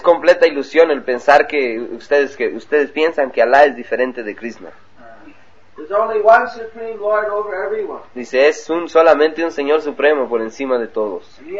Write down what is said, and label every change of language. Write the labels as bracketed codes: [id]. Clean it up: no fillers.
[es] completa ilusión el pensar que ustedes piensan que Allah es diferente de Krishna. [en] There's only one supreme Lord over everyone. [es] Dice, es solamente un Señor Supremo por encima de todos.